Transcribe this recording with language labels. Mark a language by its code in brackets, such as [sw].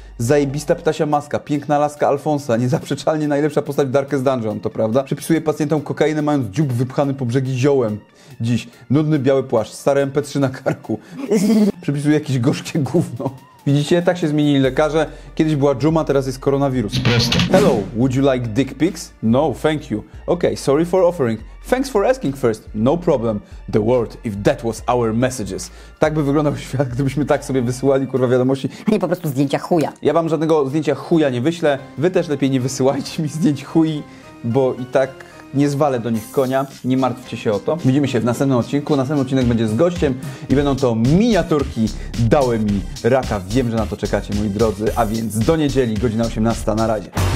[pl] Zajebista ptasia maska, piękna laska Alfonsa, niezaprzeczalnie najlepsza postać w Darkest Dungeon, to prawda? Przepisuje pacjentom kokainę, mając dziób wypchany po brzegi ziołem. Dziś, nudny biały płaszcz, stare MP3 na karku. Przepisuje jakieś gorzkie gówno. Widzicie, tak się zmienili lekarze. Kiedyś była dżuma, teraz jest koronawirus. Proste. [en] Hello, would you like dick pics? No, thank you. Okay, sorry for offering. Thanks for asking first. No problem. The world, if that was our messages. [pl] Tak by wyglądał świat, gdybyśmy tak sobie wysyłali, kurwa, wiadomości. Nie, po prostu zdjęcia chuja. Ja wam żadnego zdjęcia chuja nie wyślę. Wy też lepiej nie wysyłajcie mi zdjęć chuj, bo i tak nie zwalę do nich konia. Nie martwcie się o to. Widzimy się w następnym odcinku. Następny odcinek będzie z gościem i będą to miniaturki Dały mi raka. Wiem, że na to czekacie, moi drodzy. A więc do niedzieli, godzina 18. Na razie.